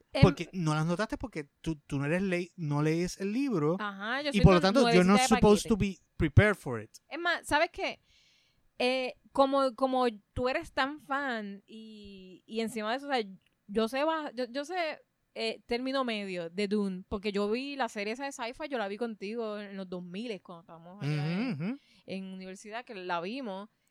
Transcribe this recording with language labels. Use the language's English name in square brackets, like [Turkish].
[Spanish] porque no las notaste porque tú no eres no lees el libro. Ajá, yo y por lo tanto [English] you're not supposed to be prepared for it. [Spanish] Es más, ¿sabes qué? Como tú eres tan fan y encima de eso, o sea, yo sé término medio de Dune, porque yo vi la serie esa de sci-fi, yo la vi contigo en los 2000 cuando estábamos allá en universidad, que la vimos.